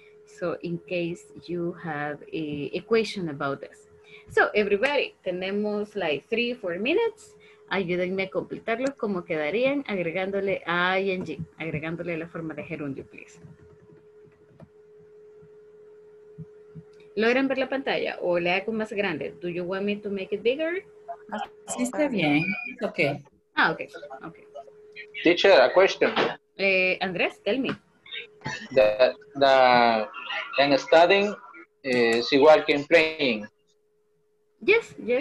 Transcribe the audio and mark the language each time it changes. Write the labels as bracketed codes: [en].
[en] So, in case you have a equation about this. So, everybody, tenemos like 3-4 minutes. [es] Ayúdenme a completarlos como quedarían agregándole ing, agregándole la forma de gerundio, please. ¿Logran ver la pantalla o la hago más grande? [en] Do you want me to make it bigger? [es] Sí, está bien. Okay. [en] Ah, okay. Okay. Teacher, a question. Andrés, tell me. The in studying is igual que in playing. Yes, yes.